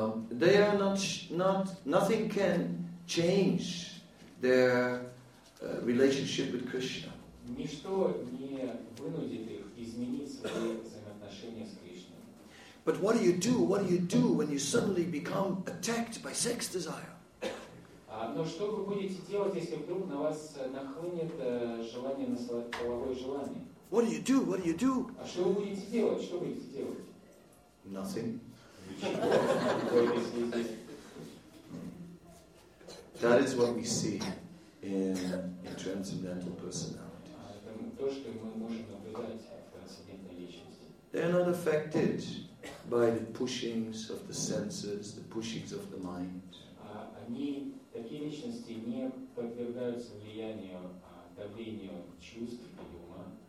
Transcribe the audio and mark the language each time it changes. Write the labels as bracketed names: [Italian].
[English] They are nothing can change their relationship with Krishna. [Russian] Ничто не вынудит их изменить свои взаимоотношения с Кришной. [English] But what do you do? What do you do when you suddenly become attacked by sex desire? [Russian] Но что вы будете делать, если вдруг на вас нахлынет желание на половое желание? [English] What do you do? What do you do? [Russian] А что вы будете делать? Что будете делать? [English] Nothing. [Russian] Ничего. [English] That is what we see in transcendental personality. [Russian] Это то, что мы можем наблюдать в трансцендентной личности. [English] They are not affected by the pushings of the senses, the pushings of the mind. [Russian] Они такие личности не подвергаются влиянию давлению чувств и ума.